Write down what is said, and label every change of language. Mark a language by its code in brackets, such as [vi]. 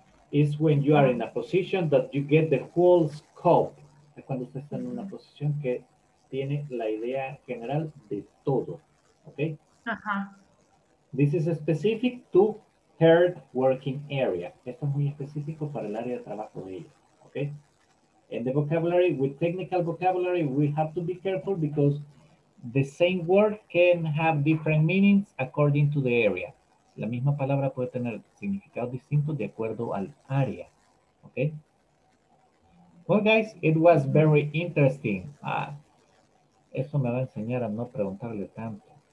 [en] It's when you are in a position that you get the whole scope. [es] Es cuando usted está en una posición que tiene la idea general de todo. [en] Okay? Ajá. Uh-huh. This is specific to her working area. [es] Esto es muy específico para el área de trabajo de ella, okay? [en] And the vocabulary, with technical vocabulary, we have to be careful because the same word can have different meanings according to the area. [es] La misma palabra puede tener significado distinto de acuerdo al área, okay? [en] Well, guys, it was very interesting. [es] Ah, eso me va a enseñar a no preguntarle tanto.